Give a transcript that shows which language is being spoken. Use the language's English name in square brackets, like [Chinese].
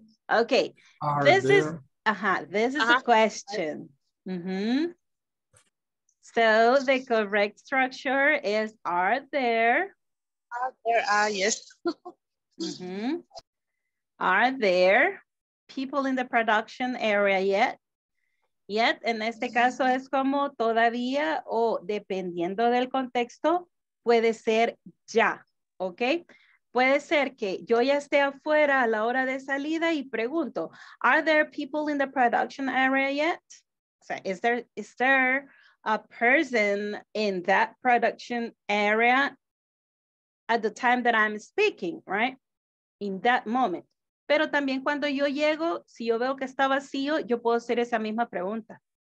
[English] Okay, this is a question. So the correct structure is are there? Yes. Are there people in the production area yet? [Spanish] Yet, en este caso es como todavía o dependiendo del contexto, puede ser ya, ¿ok? Puede ser que yo ya esté afuera a la hora de salida y pregunto, [English] are there people in the production area yet? O sea, is there a person in that production area at the time that I'm speaking, right? In that moment. [Spanish] Pero también cuando yo llego, si yo veo que está vacío, yo puedo hacer esa misma pregunta.